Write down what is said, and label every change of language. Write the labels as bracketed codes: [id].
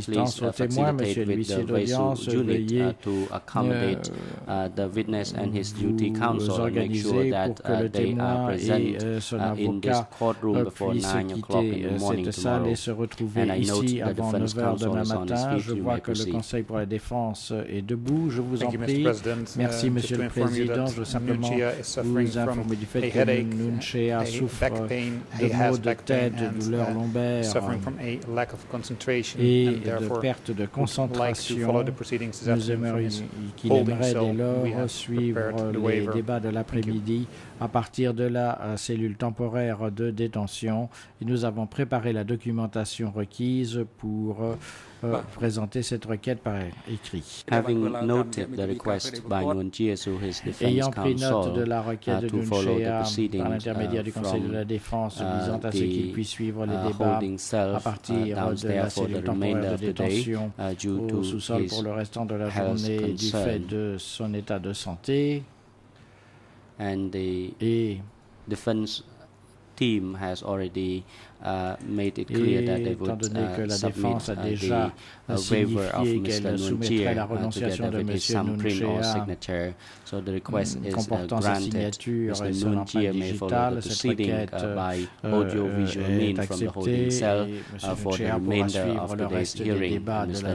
[en] Please facilitate with the Weisu unit to accommodate the witness and his duty counsel and make sure that they are present in this courtroom before 9 o'clock in the morning tomorrow. And I note that the defense counsel is on his feet. You may proceed. Thank you, Mr. President. [fr] Monsieur le Président, je veux simplement vous informer du fait que Nunchea souffre de maux de tête, de douleurs lombaires et de perte de concentration. Nous aimerions qu'il aimerait dès lors suivre les débats de l'après-midi à partir de la cellule temporaire de détention. Et nous avons préparé la documentation requise pour présenter cette requête par écrit. [en] Having noted the request by Nguyen Chiesu, his defense [fr] ayant [en] counsel, [fr] pris note de la requête de Nunchea par l'intermédiaire du Conseil de la Défense visant à ce qu'il puisse suivre les débats à partir de la cellule temporaire de détention au sous-sol pour le restant de la journée du fait de son état de santé. [en] And the defense team has already made it clear that they would submit the waiver of Mr. Nunchea together with his thumbprint or signature. So the request is granted. Mr. Nunchea may follow the proceeding by audiovisual means from the holding cell for the remainder of today's hearing. Mr.